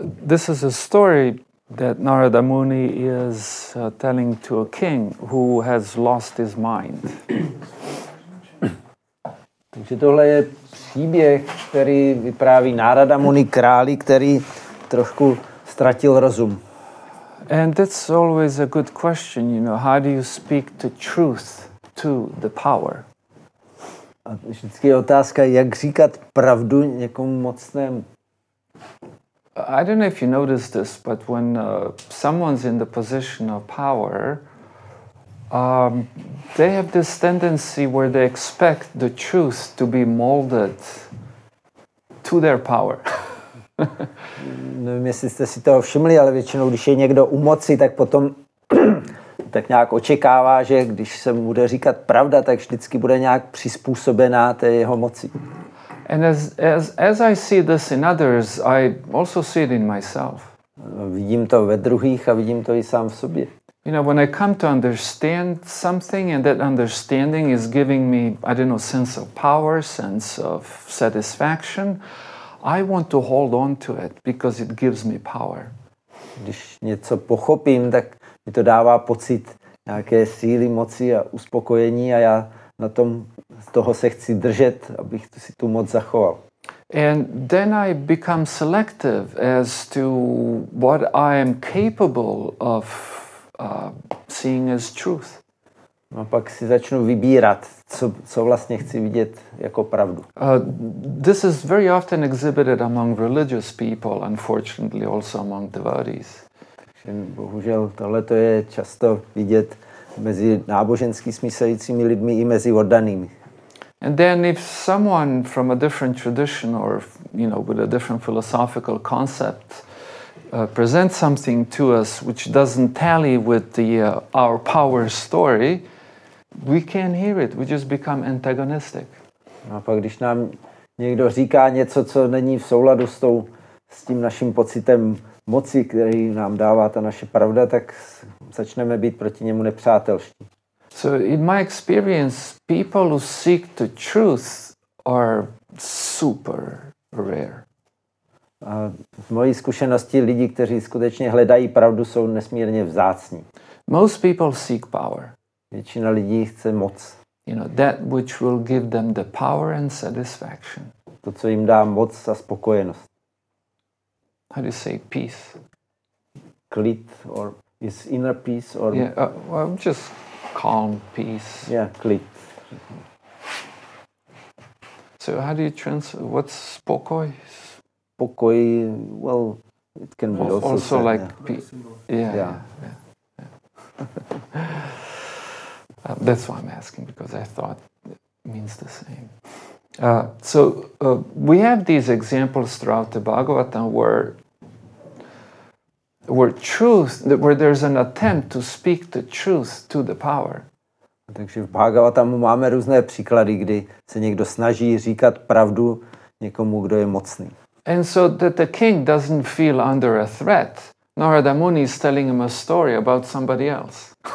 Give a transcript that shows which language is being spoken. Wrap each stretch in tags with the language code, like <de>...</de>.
<en>This is a story that Narada Muni is telling to a king who has lost his mind.</en> <cs>Takže tohle je příběh, který vypráví Narada Muni králi, který trošku ztratil rozum.</cs> <en>And that's always a good question, you know, how do you speak the truth to the power?</en> <cs>A vždycky je otázka, jak říkat pravdu někomu mocnému.</cs> <en>I don't know if you notice this, but when someone's in the position of power, they have this tendency where they expect the truth to be molded to their power.</en> <cs>Nevím, jestli jste si toho všimli, ale většinou, když je někdo u moci, tak potom tak nějak očekává, že když se mu bude říkat pravda, tak vždycky bude nějak přizpůsobená té jeho moci.</cs> <en>And as I see this in others, I also see it in myself.</en> <cs>Vidím to ve druhých a vidím to i sám v sobě.</cs> <en>You know, when I come to understand something and that understanding is giving me, I don't know, sense of power, sense of satisfaction, I want to hold on to it because it gives me power.</en> <cs>Když něco pochopím, tak mi to dává pocit nějaké síly, moci a uspokojení a já na tom toho se chci držet, abych si tu moc zachoval.</cs> <en>And then I become selective as to what I am capable of seeing as truth.</en> <cs>A pak si začnu vybírat, co vlastně chci vidět jako pravdu.</cs> <en>This is very often exhibited among religious people, unfortunately also among devotees.</en> <cs>Takže bohužel tohle to je často vidět mezi nábožensky smýšlejícími lidmi i mezi oddanými.</cs> <en>And then if someone from a different tradition or, you know, with a different philosophical concept presents something to us which doesn't tally with the our power story, we can't hear it. We just become antagonistic.</en> <cs>A pak když nám někdo říká něco, co není v souladu s tou, s tím naším pocitem moci, který nám dává ta naše pravda, tak začneme být proti němu nepřátelští.</cs> <en>So in my experience, people who seek the truth are super rare.</en> <cs>A v mojí zkušenosti lidi, kteří skutečně hledají pravdu, jsou nesmírně vzácní.</cs> <en>Most people seek power.</en> <cs>Většina lidí chce moc.</cs> <en>You know, that which will give them the power and satisfaction.</en> <cs>To, co jim dá moc a spokojenost.</cs> <en>How do you say peace? Klid, or is inner peace, or... Yeah, well, just calm, peace. Yeah, klid. So how do you translate, what's spokoj? Spokoj, well, it can be also... Also said, like yeah. peace. Yeah. That's why I'm asking, because I thought it means the same. So we have these examples throughout the Bhagavatam where there's an attempt to speak the truth to the power.</en> <cs>Takže v Bhagavatamu máme různé příklady, kdy se někdo snaží říkat pravdu někomu, kdo je mocný.</cs> <en>And so that the king doesn't feel under a threat. Narada Muni is telling him a story about somebody else.</en>